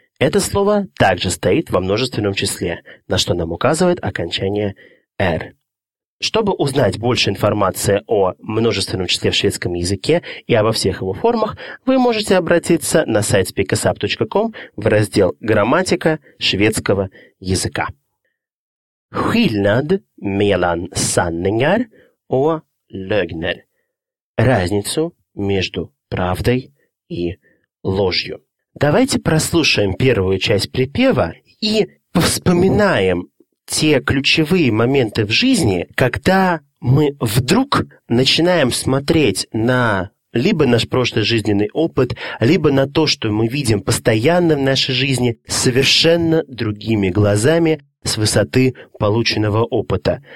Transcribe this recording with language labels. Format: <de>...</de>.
<ru>Это слово также стоит во множественном числе, на что нам указывает окончание «r». Чтобы узнать больше информации о множественном числе в шведском языке и обо всех его формах, вы можете обратиться на сайт speakusup.com в раздел «Грамматика шведского языка».</ru> <sv>Skillnad mellan sanningar och lögner.</sv> <ru>Разницу между правдой и ложью. Давайте прослушаем первую часть припева и повспоминаем те ключевые моменты в жизни, когда мы вдруг начинаем смотреть на либо наш прошлый жизненный опыт, либо на то, что мы видим постоянно в нашей жизни, совершенно другими глазами с высоты полученного опыта.</ru>